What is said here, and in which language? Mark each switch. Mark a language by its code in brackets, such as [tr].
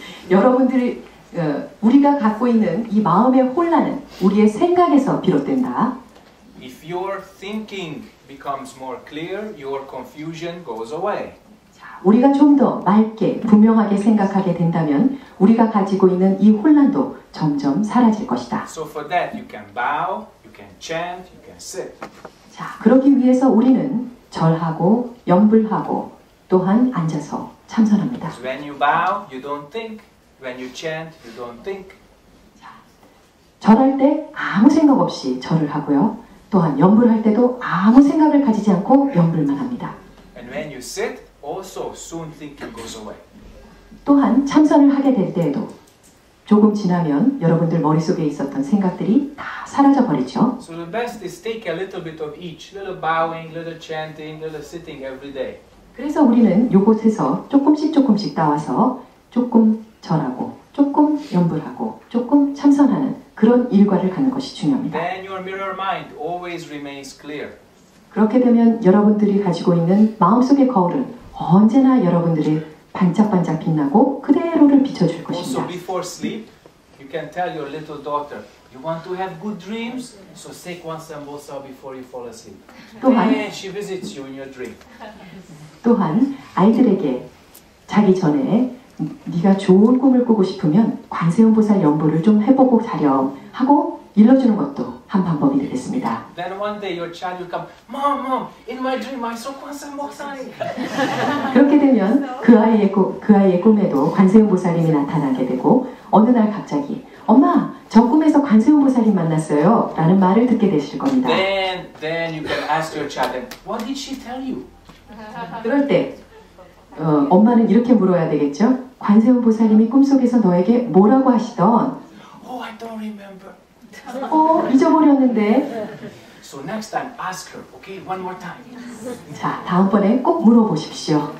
[ko] 여러분들이 우리가 갖고 있는 이 마음의 혼란은 우리의 생각에서 비롯된다. [en] If your thinking becomes more clear, your confusion goes away. [ko] 자, 우리가 좀 더 맑게 분명하게 생각하게 된다면 우리가 가지고 있는 이 혼란도 점점 사라질 것이다. [en] So for that, you can bow, you can chant, you can sit. [ko] 자, 그러기 위해서 우리는 절하고 염불하고 또한 앉아서 참선합니다. [en] When you bow, you don't think. When you chant, you don't think. [ko] 자, 절할 때 아무 생각 없이 절을 하고요. 또한 염불할 때도 아무 생각을 가지지 않고 염불만 합니다. [en] And when you sit, also soon thinking goes away. [ko] 또한 참선을 하게 될 때에도 조금 지나면 여러분들 머릿속에 있었던 생각들이 다 사라져 버리죠. [en] So the best is take a little bit of each. Little bowing, little chanting, little sitting every day. [ko] 그래서 우리는 요곳에서 조금씩 조금씩 따와서 조금 절하고 조금 염불하고 조금 참선하는 그런 일과를 가는 것이 중요합니다. [en] Then your mirror mind always remains clear. [ko] 그렇게 되면 여러분들이 가지고 있는 마음속의 거울은 언제나 여러분들이 반짝반짝 빛나고 그대로를 비춰줄 것입니다. [en] Also before sleep, you can tell your little daughter, you want to have good dreams, so take one sambosa before you fall asleep. [ko] 또한, [en] and she visits you in your dream. [ko] 또한 아이들에게 자기 전에 네가 좋은 꿈을 꾸고 싶으면 관세음보살 염불을 좀 해보고 자렴 하고 일러주는 것도 한 방법이 되겠습니다. [en] Then one day your child will come, Mom, Mom, in my dream I saw 관세음보살이. [ko] 그렇게 되면 그 아이의 꿈에도 관세음보살님이 나타나게 되고 어느 날 갑자기 엄마, 저 꿈에서 관세음보살님 만났어요 라는 말을 듣게 되실 겁니다. [en] Then you can ask your child, What did she tell you? [ko] 그럴 때 엄마는 이렇게 물어야 되겠죠? 관세음 보살님이 꿈속에서 너에게 뭐라고 하시던? [en] Oh, I don't remember. [ko] 잊어버렸는데. [en] So next time ask her, okay? One more time. [ko] 자, 다음번에 꼭 물어보십시오.